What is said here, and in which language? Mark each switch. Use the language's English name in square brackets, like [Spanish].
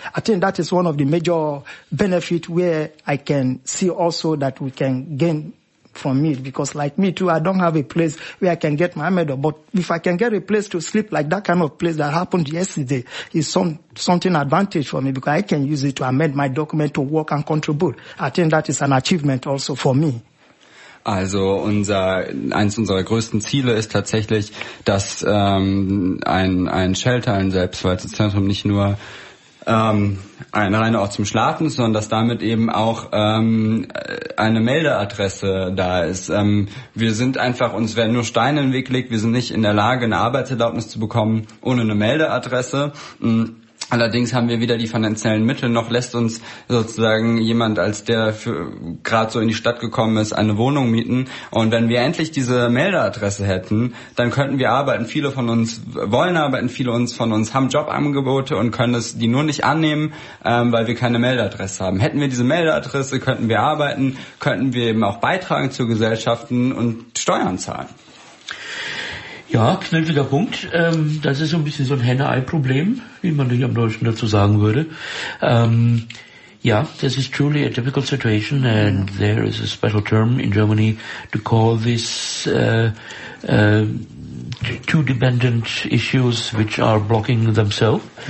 [English] I think that is one of the major benefits where I can see also that we can gain from it, because like me too, I don't have a place where I can get my medal. But if I can get a place to sleep, like that kind of place that happened yesterday, is something advantage for me, because I can use it to amend my document to work and contribute. I think that is an achievement also for me. [German] Also eins unserer größten Ziele ist tatsächlich, dass ein Shelter, ein Selbstverwaltungszentrum nicht nur ein reiner Ort zum Schlafen, sondern dass damit eben auch eine Meldeadresse da ist. Wir sind einfach, uns werden nur Steine in den Weg gelegt, wir sind nicht in der Lage, eine Arbeitserlaubnis zu bekommen ohne eine Meldeadresse. Allerdings haben wir weder die finanziellen Mittel, noch lässt uns sozusagen jemand, als der gerade so in die Stadt gekommen ist, eine Wohnung mieten. Und wenn wir endlich diese Meldeadresse hätten, dann könnten wir arbeiten. Viele von uns wollen arbeiten, viele von uns haben Jobangebote und können es die nur nicht annehmen, weil wir keine Meldeadresse haben. Hätten wir diese Meldeadresse, könnten wir arbeiten, könnten wir eben auch beitragen zu Gesellschaften und Steuern zahlen. Ja, knifflicher Punkt. Das ist so ein bisschen so ein Henne-Ei-Problem, wie man hier im Deutschen dazu sagen würde. [English] Ja, this is truly a difficult situation, and there is a special term in Germany to call this two dependent issues which are blocking themselves.